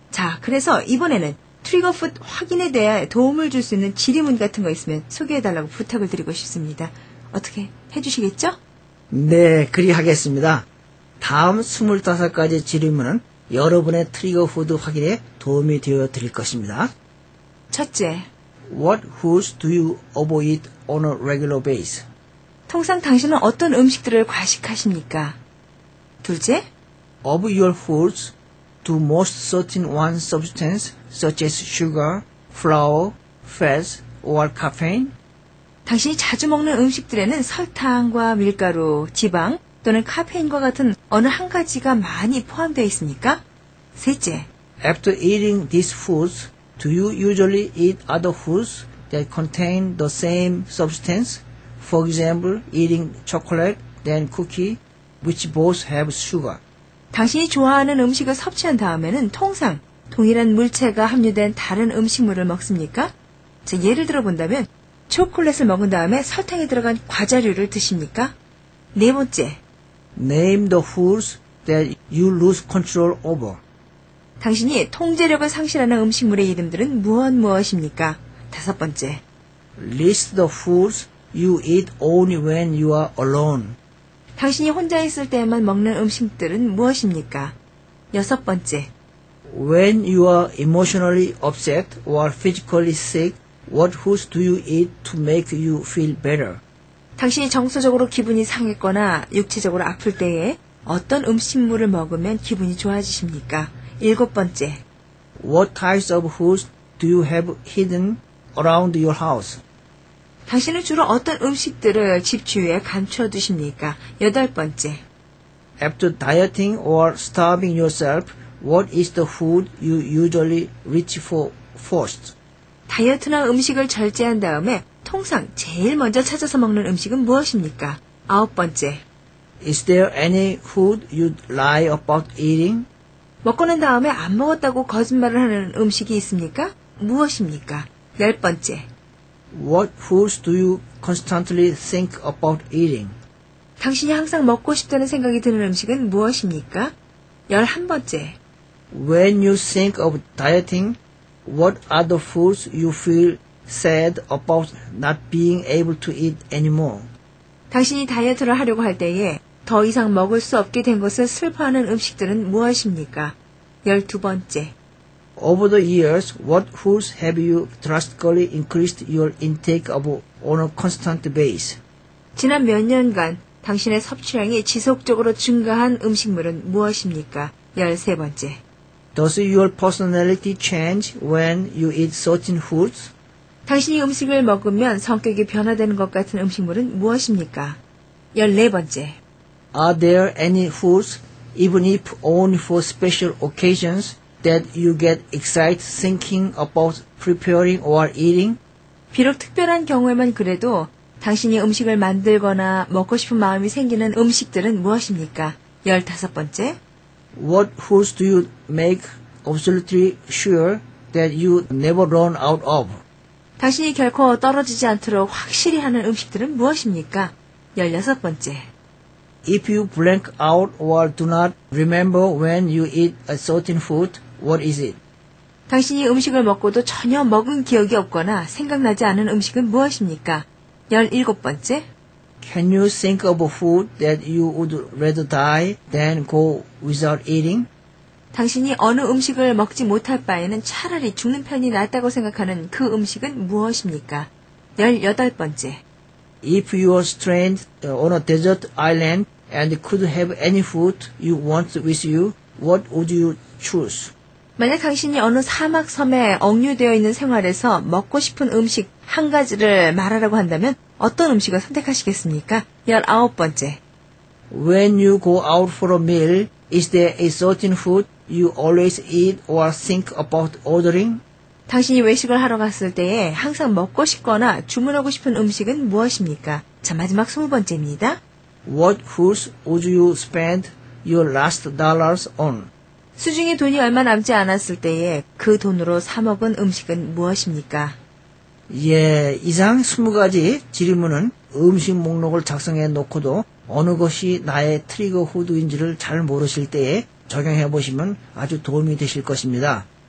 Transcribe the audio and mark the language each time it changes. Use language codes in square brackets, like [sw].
[ko] 자, 그래서 이번에는 트리거 후드 확인에 대해 도움을 줄 수 있는 지리문 같은 거 있으면 소개해달라고 부탁을 드리고 싶습니다. 어떻게 해주시겠죠? 네, 그리 하겠습니다. 다음 25가지 지리문은 여러분의 트리거 후드 확인에 도움이 되어 드릴 것입니다. 첫째, [en] What foods do you avoid on a regular basis? [ko] 통상 당신은 어떤 음식들을 과식하십니까? 둘째, [en] Of your foods, do most certain one substance such as sugar, flour, fats, or caffeine? [ko] 당신이 자주 먹는 음식들에는 설탕과 밀가루, 지방 또는 카페인과 같은 어느 한 가지가 많이 포함되어 있습니까? 셋째, [en] After eating these foods, do you usually eat other foods that contain the same substance? For example, eating chocolate, then cookie, which both have sugar. [ko] 당신이 좋아하는 음식을 섭취한 다음에는 통상 동일한 물체가 함유된 다른 음식물을 먹습니까? 자, 예를 들어 본다면, 초콜릿을 먹은 다음에 설탕이 들어간 과자류를 드십니까? 네 번째, [en] Name the foods that you lose control over. [ko] 당신이 통제력을 상실하는 음식물의 이름들은 무엇 무엇입니까? 다섯 번째, [en] List the foods you eat only when you are alone. [ko] 당신이 혼자 있을 때에만 먹는 음식들은 무엇입니까? 여섯 번째, [en] When you are emotionally upset or physically sick, what foods do you eat to make you feel better? [ko] 당신이 정서적으로 기분이 상했거나 육체적으로 아플 때에 어떤 음식물을 먹으면 기분이 좋아지십니까? 일곱 번째, [en] What types of foods do you have hidden around your house? [ko] 당신은 주로 어떤 음식들을 집 주위에 감춰두십니까? 여덟 번째, [en] After dieting or starving yourself, what is the food you usually reach for first? [ko] 다이어트나 음식을 절제한 다음에 통상 제일 먼저 찾아서 먹는 음식은 무엇입니까? 아홉 번째, [en] Is there any food you'd lie about eating? [ko] 먹고 난 다음에 안 먹었다고 거짓말을 하는 음식이 있습니까? 무엇입니까? 열 번째, [en] What foods do you constantly think about eating? [ko] 당신이 항상 먹고 싶다는 생각이 드는 음식은 무엇입니까? 열한 번째, [en] When you think of dieting, what are the foods you feel sad about not being able to eat anymore? [ko] 당신이 다이어트를 하려고 할 때에 더 이상 먹을 수 없게 된 것을 슬퍼하는 음식들은 무엇입니까? 열두 번째, [en] Over the years, what foods have you drastically increased your intake of on a constant basis? [ko] 지난 몇 년간 당신의 섭취량이 지속적으로 증가한 음식물은 무엇입니까? 열세 번째, [en] Does your personality change when you eat certain foods? [ko] 당신이 음식을 먹으면 성격이 변화되는 것 같은 음식물은 무엇입니까? 열네 번째, [en] Are there any foods, even if only for special occasions, that you get excited thinking about preparing or eating? [ko] 비록 특별한 경우에만 그래도 당신이 음식을 만들거나 먹고 싶은 마음이 생기는 음식들은 무엇입니까? 열다섯 번째, [en] What foods do you make absolutely sure that you never run out of? [ko] 당신이 결코 떨어지지 않도록 확실히 하는 음식들은 무엇입니까? 열여섯 번째, [en] If you blank out or do not remember when you eat a certain food, what is it? [ko] 당신이 음식을 먹고도 전혀 먹은 기억이 없거나 생각나지 않은 음식은 무엇입니까? 17번째. [en] Can you think of a food that you would rather die than go without eating? [ko] 당신이 어느 음식을 먹지 못할 바에는 차라리 죽는 편이 낫다고 생각하는 그 음식은 무엇입니까? 18번째. [en] If you were stranded on a desert island and could have any food you want with you, what would you choose? [ko] 만약 당신이 어느 사막 섬에 억류되어 있는 생활에서 먹고 싶은 음식 한 가지를 말하라고 한다면 어떤 음식을 선택하시겠습니까? 19번째. [en] When you go out for a meal, is there a certain food you always eat or think about ordering? [ko] 당신이 외식을 하러 갔을 때에 항상 먹고 싶거나 주문하고 싶은 음식은 무엇입니까? 자, 마지막 20번째입니다. [en] What foods would you spend your last dollars on? [ko] 수중에 돈이 얼마 남지 않았을 때에 그 돈으로 사 먹은 음식은 무엇입니까? 예, 이상 20가지 질문은 음식 목록을 작성해 놓고도 어느 것이 나의 트리거 후드인지를 잘 모르실 때에 적용해 보시면 아주 도움이 되실 것입니다.